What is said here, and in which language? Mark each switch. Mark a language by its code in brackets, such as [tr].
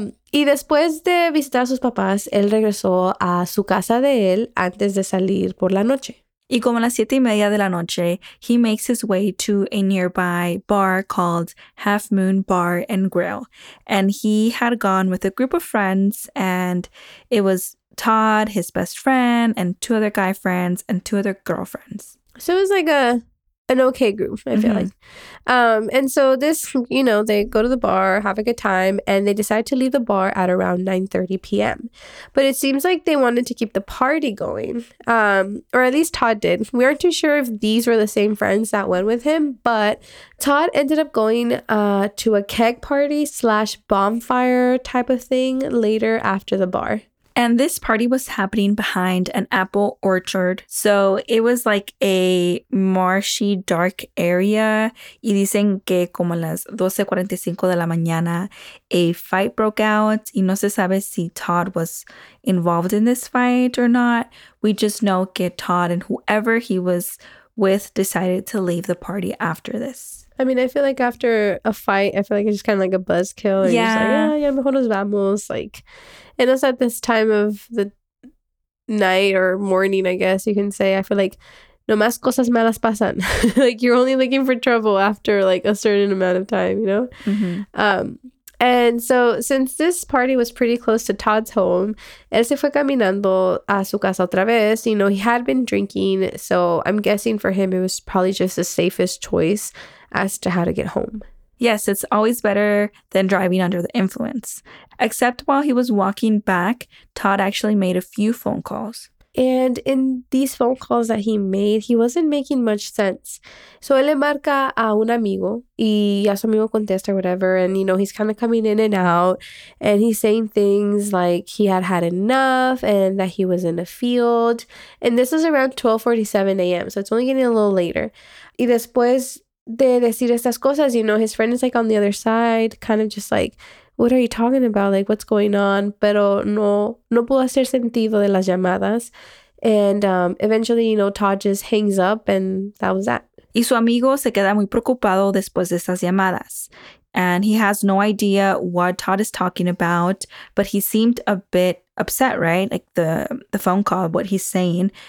[es] Y después de visitar a sus papás, él regresó a su casa de él antes de salir por la noche. Y como a las 7:30 de la noche, [en] he makes his way to a nearby bar called Half Moon Bar and Grill. And he had gone with a group of friends, and it was Todd, his best friend, and two other guy friends, and two other girlfriends. So it was like an okay group, I feel mm-hmm. like. And so this, you know, they go to the bar, have a good time, and they decide to leave the bar at around 9:30 p.m. But it seems like they wanted to keep the party going, or at least Todd did. We aren't too sure if these were the same friends that went with him, but Todd ended up going to a keg party / bonfire type of thing later after the bar. And this party was happening behind an apple orchard. So it was like a marshy, dark area. [es] Y dicen que como a las 12:45 de la mañana, [en] a fight broke out. [es] Y no se sabe si [en] Todd was involved in this fight or not. We just know que Todd and whoever he was with decided to leave the party after this. I mean, I feel like after a fight, I feel like it's just kind of like a buzzkill. Yeah. You're just like, yeah, [es] mejor nos vamos. [en] Like, and also at this time of the night or morning, I guess you can say, I feel like, [es] no más cosas malas pasan. [en] Like, you're only looking for trouble after, like, a certain amount of time, you know? Mm-hmm. And so since this party was pretty close to Todd's home, [es] él se fue caminando a su casa otra vez. [en] You know, he had been drinking, so I'm guessing for him it was probably just the safest choice as to how to get home. Yes, it's always better than driving under the influence. Except while he was walking back, Todd actually made a few phone calls. And in these phone calls that he made, he wasn't making much sense. So, [es] él le marca a un amigo, y ya su amigo contesta [en] or whatever, and, you know, he's kind of coming in and out, and he's saying things like he had had enough, and that he was in a field. And this is around 12:47 a.m., so it's only getting a little later. [es] Y después de decir estas cosas, [en] you know, his friend is, like, on the other side, kind of just like, what are you talking about? Like, what's going on? [es] Pero no pudo hacer sentido de las llamadas. [en] And eventually, you know, Todd just hangs up and that was that. [es] Y su amigo se queda muy preocupado después de estas llamadas. [en] And he has no idea what Todd is talking about, but he seemed a bit upset, right? Like the phone call, what he's saying.